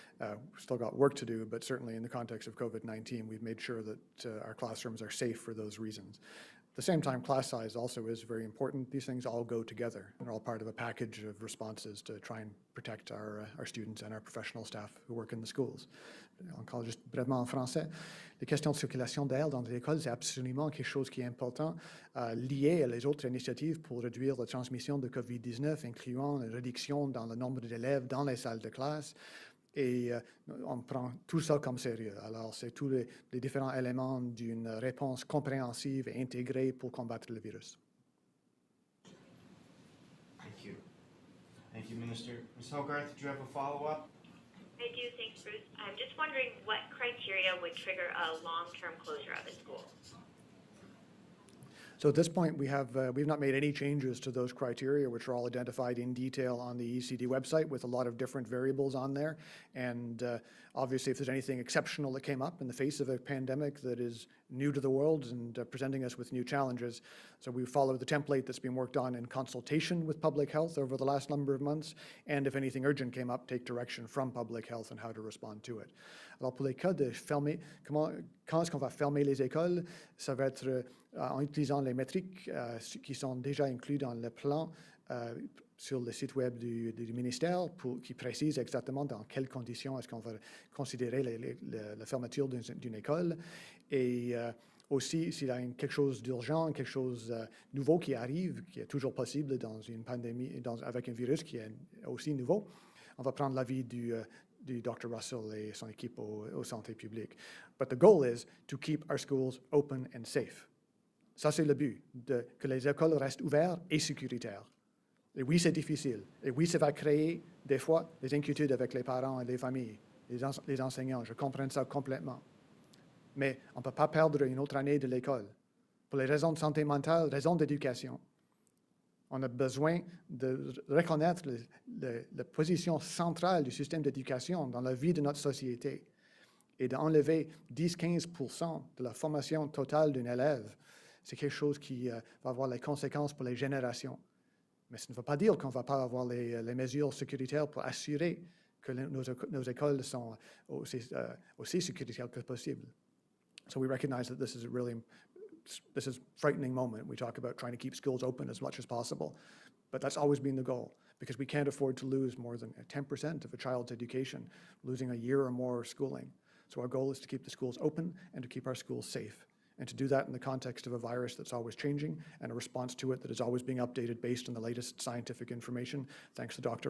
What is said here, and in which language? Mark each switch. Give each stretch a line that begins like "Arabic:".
English: We've still got work to do, but certainly in the context of COVID-19, we've made sure that our classrooms are safe for those reasons. At the same time, class size also is very important. These things all go together and are all part of a package of responses to try and protect our students and our professional staff who work in the schools.
French: Encore juste brièvement en français, les questions de circulation d'air dans les écoles, c'est absolument quelque chose qui est important, lié à les autres initiatives pour réduire la transmission de COVID-19, incluant la réduction dans le nombre d'élèves dans les salles de classe. Et on prend tout ça comme sérieux. Alors, c'est tous les différents éléments d'une réponse compréhensive et intégrée pour combattre le virus.
English: Thank you. Thank you, Minister. Ms. Hogarth, do you have a follow-up? I do. Thanks, Bruce. I'm just wondering what criteria would trigger a long-term closure of a school? So at this point, we've not made any changes to those criteria, which are all identified in detail on the ECD website with a lot of different variables on there. And obviously, if there's anything exceptional that came up in the face of a pandemic that is new to the world and presenting us with new challenges, so we follow the template that's been worked on in consultation with public health over the last number of months, and if anything urgent came up, take direction from public health on how to respond to it.
French: Alors, pour les cas de fermer, quand est-ce qu'on va fermer les écoles? Ça va être en utilisant les métriques qui sont déjà incluses dans le plan sur le site web du ministère qui précise exactement dans quelles conditions est-ce qu'on va considérer la fermeture d'une école. Et aussi, s'il y a quelque chose d'urgent, quelque chose nouveau qui arrive, qui est toujours possible dans une pandémie, avec un virus qui est aussi nouveau, on va prendre l'avis du du Dr. Russell et son équipe au, au santé publique.
English: But the goal is to keep our schools open and safe.
French: Ça, c'est le but, de, que les écoles restent ouvertes et sécuritaires. Et oui, c'est difficile. Et oui, ça va créer, des fois, des inquiétudes avec les parents et les familles, les enseignants. Je comprends ça complètement. Mais on ne peut pas perdre une autre année de l'école. Pour les raisons de santé mentale, raisons d'éducation, on a besoin de reconnaître la position centrale du système d'éducation dans la vie de notre société et d'enlever 10-15% de la formation totale d'un élève. C'est quelque chose qui va avoir les conséquences pour les générations. Mais ça ne veut pas dire qu'on ne va pas avoir les mesures sécuritaires pour assurer que nos écoles sont aussi sécuritaires que possible.
English: So we recognize that this is a really, this is a frightening moment. We talk about trying to keep schools open as much as possible, but that's always been the goal because we can't afford to lose more than 10% of a child's education, losing a year or more schooling. So our goal is to keep the schools open and to keep our schools safe. And to do that in the context of a virus that's always changing and a response to it that is always being updated based on the latest scientific information, thanks to Dr.